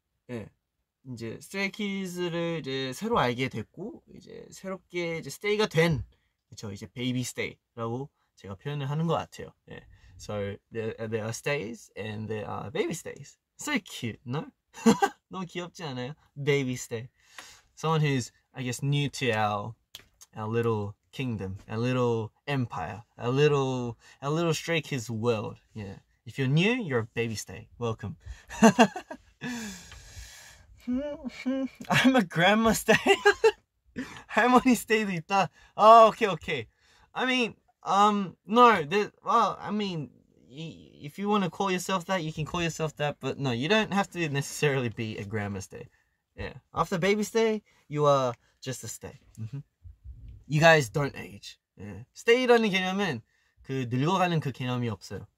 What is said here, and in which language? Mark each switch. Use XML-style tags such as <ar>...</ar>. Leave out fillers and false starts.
<ko>예, 이제 스트레이 키즈를 이제 새로 알게 됐고, 이제 새롭게 이제 stay가 된, 그렇죠? 이제 baby stay라고 제가 표현을 하는 것 같아요. 예.</ko> <en>So there are stays and there are baby stays. So cute, no?</en> <ko>너무 귀엽지 않아요?</ko> <en>Baby stay. Someone who's, I guess, new to our little kingdom, our little empire, our little Stray Kids world. Yeah, if you're new, you're a baby stay. Welcome. I'm a grandma stay.</en> <ko>할머니 stay도 있다.</ko> <en>Oh, okay. I mean, if you want to call yourself that, you can call yourself that. But no, you don't have to necessarily be a grandma stay. Yeah, after baby stay, you are just a stay. Mm-hmm. You guys don't age. Yeah.</en> <ko>Stay라는 개념은 그 늙어가는 그 개념이 없어요.</ko>